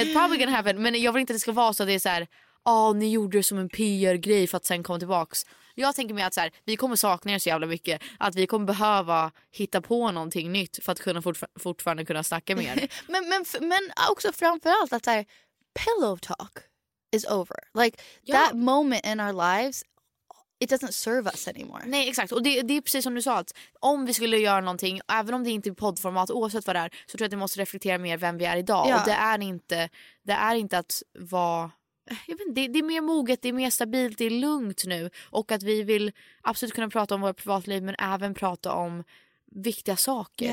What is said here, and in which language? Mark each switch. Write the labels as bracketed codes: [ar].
[en] It's probably gonna happen, [sv] men jag vill inte att det ska vara så att det är så här, ni gjorde det som en PR-grej för att sen komma tillbaks. Jag tänker mig att så här, vi kommer sakna er så jävla mycket att vi kommer behöva hitta på någonting nytt för att kunna fortfarande kunna snacka mer. men också framförallt att så här, [en] Pillow Talk is over. Like, [sv] ja. [en] That moment in our lives, it doesn't serve us anymore. [sv] Nej, exakt. Och det är precis som du sa, att om vi skulle göra någonting, även om det inte är poddformat, oavsett vad det är, så tror jag att vi måste reflektera mer vem vi är idag. Ja. Och det är inte att vara... Jag vet inte, det är mer moget, det är mer stabilt, det är lugnt nu. Och att vi vill absolut kunna prata om vårt privatliv, men även prata om viktiga saker.